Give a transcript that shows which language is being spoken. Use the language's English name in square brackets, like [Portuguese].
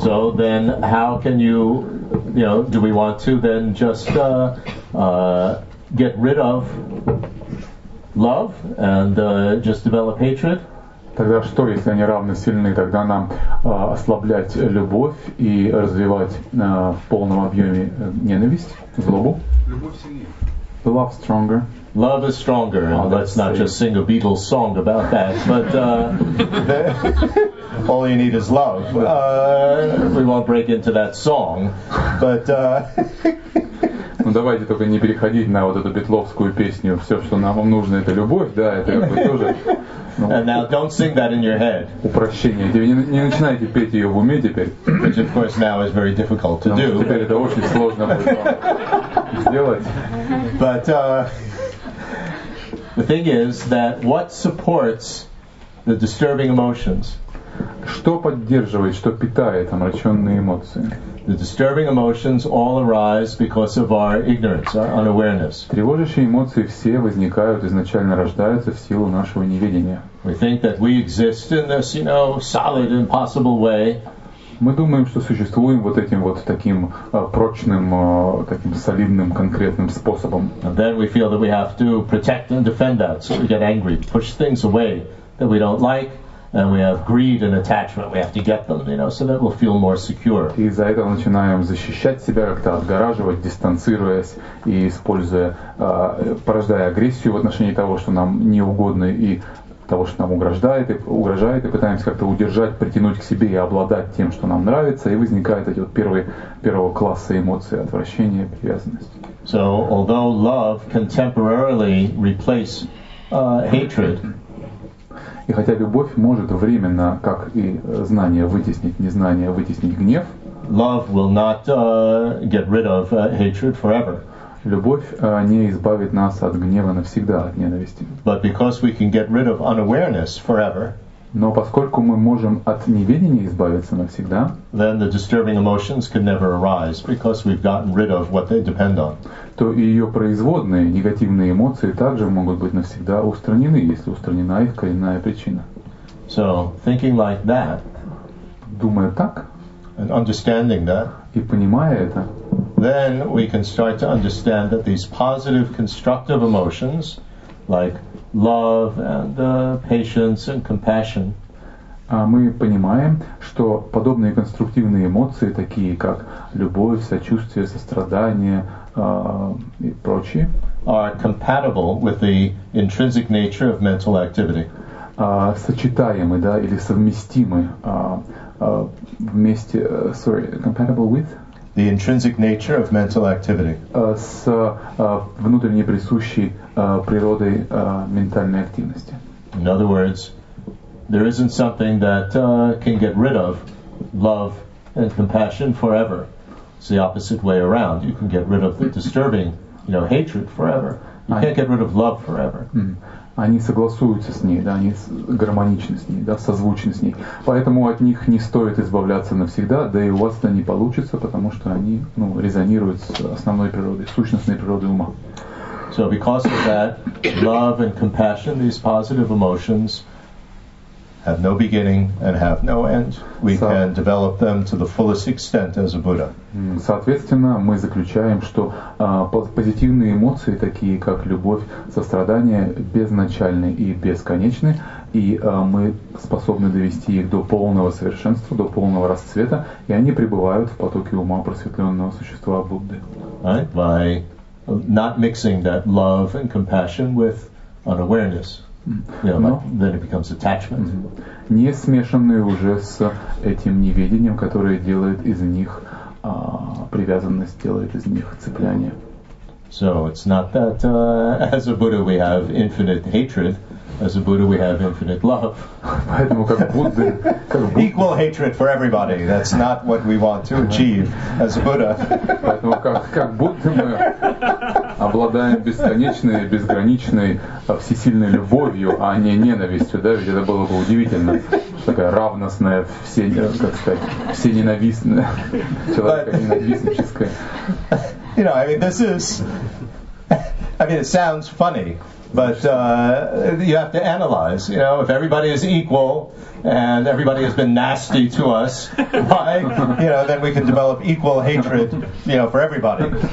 [English] So then how can you, you know, do we want to then just get rid of love and just develop hatred? [Russian] Тогда что, если они равны сильны, тогда нам ослаблять любовь и развивать в полном объеме ненависть, злобу? Любовь сильнее. [English] Love stronger. Love is stronger, and let's not just sing a Beatles song about that, but all you need is love. We won't break into that song, but... [Russian] Ну, давайте только не переходить на вот эту битловскую песню. Все, что нам нужно, это любовь, да, это как бы тоже... [English] And now don't sing that in your head. [Russian] Упрощение. Не начинайте петь ее в уме теперь. [English] Which of course now is very difficult to do. [Russian] Теперь это очень сложно сделать. [English] But the thing is that what supports the disturbing emotions? [Russian] Что поддерживает, что питает омраченные эмоции? [English] The disturbing emotions all arise because of our ignorance, our unawareness. [Russian] Тревожащие эмоции все возникают, изначально рождаются в силу нашего неведения. [English] We think that we exist in this, you know, solid, impossible way. [Russian] Мы думаем, что существуем вот этим вот таким прочным, таким солидным, конкретным способом. [English] And then we feel that we have to protect and defend that, so we get angry, push things away that we don't like. And we have greed and attachment. We have to get them, you know, so that we'll feel more secure. [Russian] И из-за этого начинаем защищать себя, как-то отгораживать, дистанцируясь и используя, порождая агрессию в отношении того, что нам неугодно и того, что нам угрожает, и пытаемся как-то удержать, притянуть к себе и обладать тем, что нам нравится, и возникают эти вот первого класса эмоции, отвращение, привязанность. [English] So, although love can temporarily replace hatred, [Russian] И хотя любовь может временно, как и знание, вытеснить незнание, вытеснить гнев, [English] love will not get rid of hatred forever. [Russian] Любовь не избавит нас от гнева навсегда, от ненависти. [English] But because we can get rid of unawareness forever, [Russian] но поскольку мы можем от неведения избавиться навсегда, [English] then the disturbing emotions can never arise because we've gotten rid of what they depend on. [Russian] То и ее производные негативные эмоции также могут быть навсегда устранены, если устранена их коренная причина. [English] So, thinking like that, [Russian] думая так, [English] and understanding that, [Russian] и понимая это, [English] then we can start to understand that these positive constructive emotions, like love and patience and compassion, [Russian] мы понимаем, что подобные конструктивные эмоции, такие как любовь, сочувствие, сострадание и прочие, [English] are compatible with the intrinsic nature of mental activity. [Russian] Сочетаемы, да, или совместимы вместе, [English] compatible with the intrinsic nature of mental activity. [Russian] С внутренне присущей природой ментальной активности. [English] In other words, there isn't something that can get rid of love and compassion forever. It's the opposite way around. You can get rid of the disturbing, you know, hatred forever. You can't get rid of love forever. [Russian] Они согласуются с ней, да, они гармоничны с ней, да, созвучны с ней. Поэтому от них не стоит избавляться навсегда, да и у вас это не получится, потому что они, ну, резонируют с основной природой, сущностной природой ума. [English] So because of that, love and compassion, these positive emotions, have no beginning and have no end. We can develop them to the fullest extent as a Buddha. [Russian] Соответственно, мы заключаем, что позитивные эмоции, такие как любовь, сострадание, безначальны и бесконечны, и мы способны довести их до полного совершенства, до полного расцвета, и они пребывают в потоке ума просветленного существа Будды. [English] Right? By not mixing that love and compassion with unawareness. You know, but then it becomes attachment. [Russian] Не смешанные уже с этим неведением, которое делает из них привязанность, делает из них цепляние. [English] So it's not that as a Buddha we have infinite hatred, as a Buddha we have infinite love. [Russian] Поэтому как Будды, [English] equal hatred for everybody. That's not what we want to achieve as a Buddha. [Russian] Поэтому как Будды мы обладаем бесконечной, безграничной, всесильной любовью, а не ненавистью, да? Ведь это было бы удивительно, такая равностная, все, как сказать, всененавистная, человеконенавистническая. [English] You know, I mean, this is, I mean, it sounds funny, but you have to analyze, you know, if everybody is equal and everybody has been nasty to us, why, you know, then we can develop equal hatred, you know, for everybody.